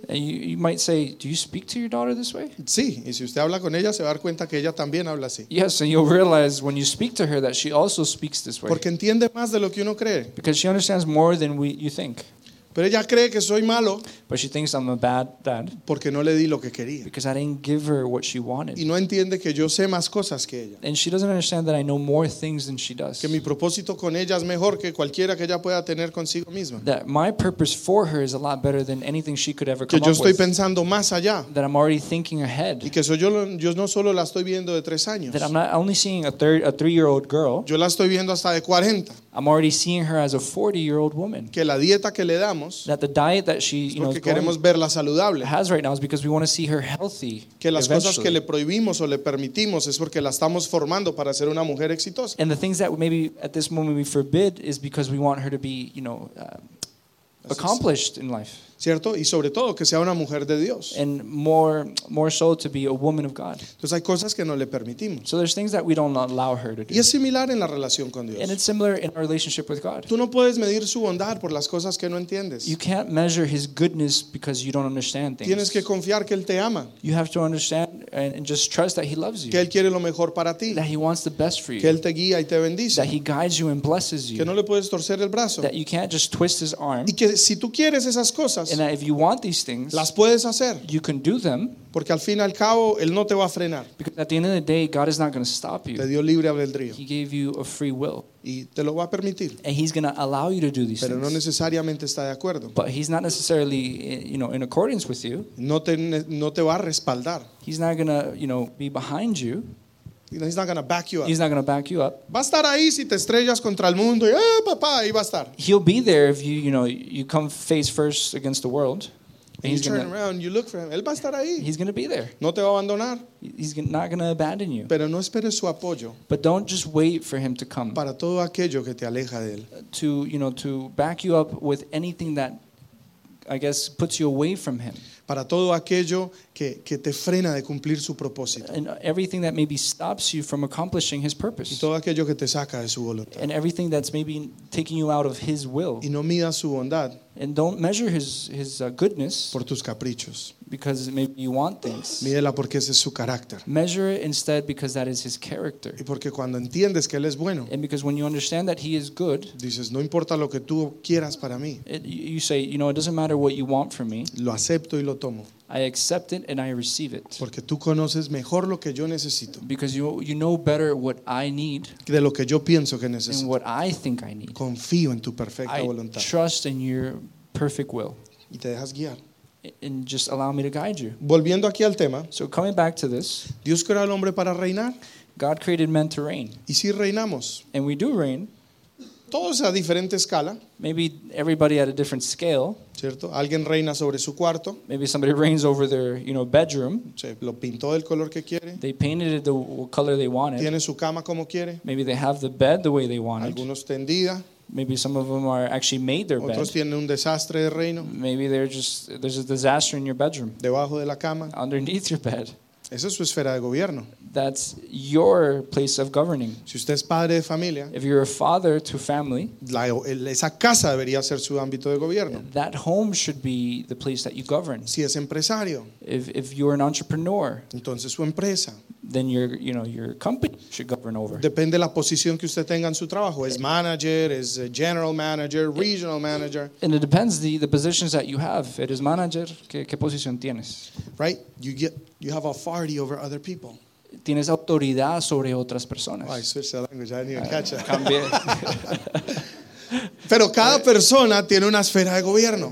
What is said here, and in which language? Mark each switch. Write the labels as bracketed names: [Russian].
[English] And you might say, do you speak to your daughter this way? [Spanish] Sí, y si usted habla con ella, se va a dar cuenta que ella también habla así. [English] Yes, and you'll realize when you speak to her that she also speaks this way. [Spanish] Porque entiende más de lo que uno cree. [English] Because she understands more than you think. [Spanish] Pero ella cree que soy malo. [English] But she thinks I'm a bad dad. [Spanish] Porque no le di lo que quería. [English] Because I didn't give her what she wanted. [Spanish] Y no entiende que yo sé más cosas que ella. [English] And she doesn't understand that I know more things than she does. [Spanish] Que mi propósito con ella es mejor que cualquiera que ella pueda tener consigo misma. [English] That my purpose for her is a lot better than anything she could ever come up with. [Spanish] Que yo estoy pensando más allá. [English] That I'm already thinking ahead. [Spanish] Y que yo no solo la estoy viendo de 3 años. [English] That I'm not only seeing a 3-year-old girl. [Spanish] Yo la estoy viendo hasta de 40. [English] I'm already seeing her as a 40-year-old woman. [Spanish] Que la dieta que le damos. [English] That the diet that she, you know, [Spanish] queremos verla saludable. [English] Has right now is because we want to see her healthy. [Spanish] Que las [English] eventually. [Spanish] Cosas que le prohibimos o le permitimos es porque la estamos formando para ser una mujer exitosa. [English] And the things that maybe at this moment we forbid is because we want her to be, you know, accomplished in life. [Spanish] ¿Cierto? Y sobre todo que sea una mujer de Dios. [English] And more so to be a woman of God. [Spanish] Entonces hay cosas que no le permitimos. [English] So there's things that we don't allow her to do. [Spanish] Y es similar en la relación con Dios. [English] And it's similar in our relationship with God. [Spanish] Tú no puedes medir su bondad por las cosas que no entiendes. [English] You can't measure his goodness because you don't understand things. [Spanish] Tienes que confiar que él te ama. [English] You have to understand and just trust that he loves you. [Spanish] Que él quiere lo mejor para ti. [English] That he wants the best for you. [Spanish] Que él te guía y te bendice. [English] That he guides you and blesses you. [Spanish] Que no le puedes torcer el brazo. [English] That you can't just twist his arm. [Spanish] Y que si tú quieres esas cosas, [English] and that if you want these things, [Spanish] las puedes hacer. [English] You can do them. [Spanish] Porque al fin y al cabo, él no te va a frenar. [English] Because at the end of the day, God is not going to stop you. [Spanish] Te dio libre albedrío. [English] He gave you a free will. [Spanish] Y te lo va a permitir. [English] And he's going to allow you to do these [Spanish] pero [English] things. [Spanish] No necesariamente está de acuerdo. [English] But he's not necessarily, you know, in accordance with you. [Spanish] No te va a respaldar. [English] He's not going to, you know, be behind you. He's not going to back you up. He's not going to back you up. [Spanish] Va a estar ahí si te estrellas contra el mundo. Papá, ahí va a estar. [English] He'll be there if you, you know, you come face first against the world. And you turn around, you look for him. [Spanish] Él va a estar ahí. [English] He's going to be there. [Spanish] No te va a abandonar. [English] He's not going to abandon you. [Spanish] Pero no esperes su apoyo. [English] But don't just wait for him to come. [Spanish] Para todo aquello que te aleja de él. [English] To, you know, to back you up with anything that, I guess, puts you away from him. [Spanish] Para todo aquello que te frena de cumplir su propósito. [English] And everything that maybe stops you from accomplishing his purpose. [Spanish] Y todo aquello que te saca de su voluntad. [English] And everything that's maybe taking you out of his will. [Spanish] Y no mida su bondad. [English] And don't measure his goodness. [Spanish] Por tus caprichos. [English] Because maybe you want things. [Spanish] Mídela porque ese es su carácter. [English] Measure it instead because that is his character. [Spanish] Y porque cuando entiendes que él es bueno. [English] And because when you understand that he is good. [Spanish] Dices, no importa lo que tú quieras para mí. [English] You say, you know, it doesn't matter what you want from me. [Spanish] Lo acepto y lo tomo. [English] I accept it and I receive it. [Spanish] Porque tú conoces mejor lo que yo necesito. [English] Because you know better what I need. [Spanish] De lo que yo pienso que necesito. [English] And what I think I need. [Spanish] Confío en tu perfecta voluntad. [English] I trust in your perfect will. [Spanish] Y te dejas guiar. [English] And just allow me to guide you. [Spanish] Volviendo aquí al tema. [English] So coming back to this. [Spanish] Dios creó al hombre para reinar. [English] God created men to reign. [Spanish] Y si reinamos. [English] And we do reign. [Spanish] Todos a diferente escala. [English] Maybe everybody at a different scale. [Spanish] ¿Cierto? Alguien reina sobre su cuarto. [English] Maybe somebody reigns over their, you know, bedroom. [Spanish] Se lo pintó del color que quiere. [English] They painted it the color they wanted. [Spanish] Tiene su cama como quiere. [English] Maybe they have the bed the way they wanted. [Spanish] Algunos tendida. [English] Maybe some of them are actually made their [Spanish] otros [English] bed. [Spanish] Tienen un desastre de reino. [English] Maybe there's a disaster in your bedroom. [Spanish] Debajo de la cama. [English] Underneath your bed. [Spanish] Esa es su esfera de gobierno. [English] That's your place of governing. [Spanish] Si usted es padre de familia, [English] if you're a father to family, [Spanish] esa casa debería ser su ámbito de gobierno. [English] That home should be the place that you govern. [Spanish] Si es empresario, [English] if you're an entrepreneur, [Spanish] entonces su empresa, [English] then your, you know, your company should govern over. [Spanish] Depende de la posición que usted tenga en su trabajo. Es manager, es general manager, regional manager. [English] And it depends the positions that you have. [Spanish] Eres manager, ¿qué posición tienes? [English] Right? You have authority over other people. [Spanish] Tienes autoridad sobre otras personas. [English] Oh, I switched the language. I didn't even catch it. [Spanish] Cambié. Pero cada persona tiene una esfera de gobierno.